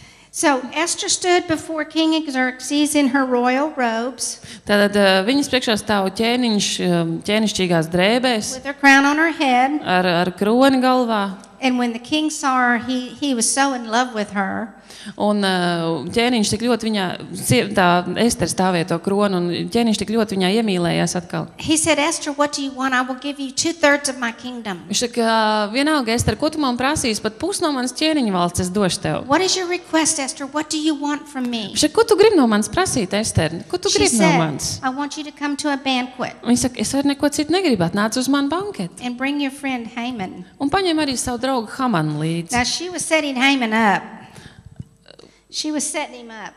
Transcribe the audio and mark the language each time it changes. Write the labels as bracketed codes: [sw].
[en] So Esther stood before King Xerxes in her royal robes. [lv] Tad viņas priekšā stāv ķēniņš, ķēnišķīgās drēbēs. [en] With her crown on her head. [lv] Ar kroni galvā. [en] And when the king saw her, he was so in love with her. [lv] Un ķēniņš tik ļoti viņā, tā Ester stāvēja to kronu, un ķēniņš tik ļoti viņā iemīlējās atkal. [en] He said, Esther, what do you want? I will give you 2/3 of my kingdom. [lv] Viņš saka, vienalga, Ester, ko tu man prasīs? Pat pusi no manas ķēniņa valsts es došu tev. [en] What is your request, Esther? What do you want from me? [lv] Viņš saka, ko tu gribi no manas prasīt, Ester? Ko tu gribi no manas? [en] She said, I want you to come to a banquet. [lv] Viņš saka, es vairs neko citu negribu, atnāc uz manu banketu. [en] And bring your friend Haman. [lv] Un paņem arī savu draugu Hamanu līdzi. [en] Now she was setting Haman up. She was setting him up.